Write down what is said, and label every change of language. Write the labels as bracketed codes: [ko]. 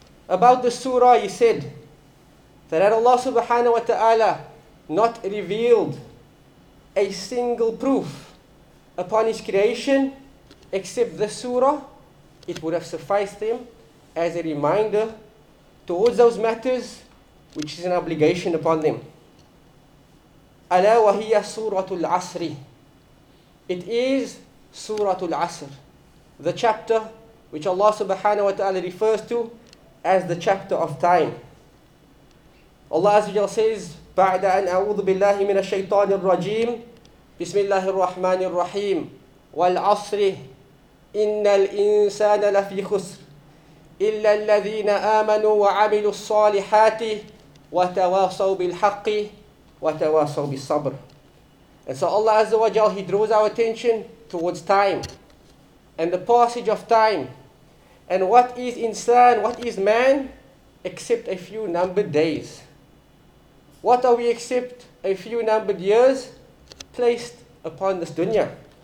[en] About the surah, he said that had Allah subhanahu wa ta'ala not revealed a single proof upon His creation except the surah, it would have sufficed them as a reminder towards those matters which is an obligation upon them. [ar] ألا وهي سورة العصر. [en] It is Surah Al-Asr, the chapter which Allah subhanahu wa ta'ala refers to as the chapter of time. [ar] Allah Azza wa Jalla says, بعد أن أعوذ بالله من الشيطان الرجيم بسم الله الرحمن الرحيم والعصر إن الإنسان لفي خسر إلا الذين آمنوا وعملوا الصالحات وتواصوا بالحق وتواصوا بالصبر. [en] And so Allah Azza wa Jal, He draws our attention towards time and the passage of time. And what is insan, what is man, except a few numbered days? What are we except a few numbered years placed upon this dunya?